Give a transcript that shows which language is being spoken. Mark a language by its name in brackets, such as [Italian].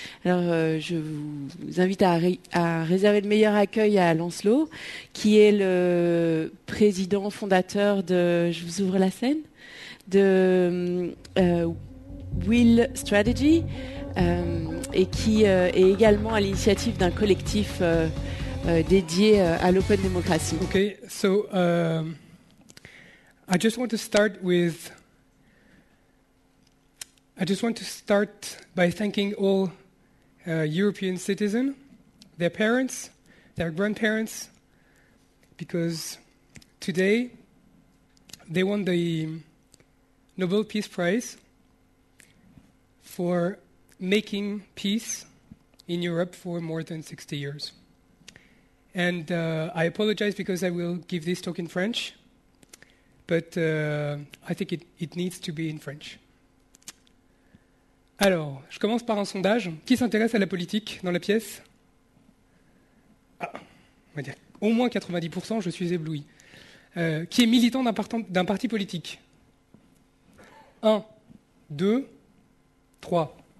[French] Alors, je vous invite à réserver le meilleur accueil à Lancelot, qui est le président fondateur de, je vous ouvre la scène, de Will Strategy. Et qui est également à l'initiative d'un collectif dédié à l'open démocratie. [English] Okay, so I just want to start with. I just want to start by thanking all European citizens, their parents, their grandparents, because today they won the Nobel Peace Prize for making peace in Europe for more than 60 years. And I apologize because I will give this talk in French, but I think it needs to be in French. [French] Alors, je commence par un sondage. Qui s'intéresse à la politique dans la pièce? Ah, on va dire au moins 90%, je suis ébloui. Qui est militant d'un parti politique? 1, 2, 3.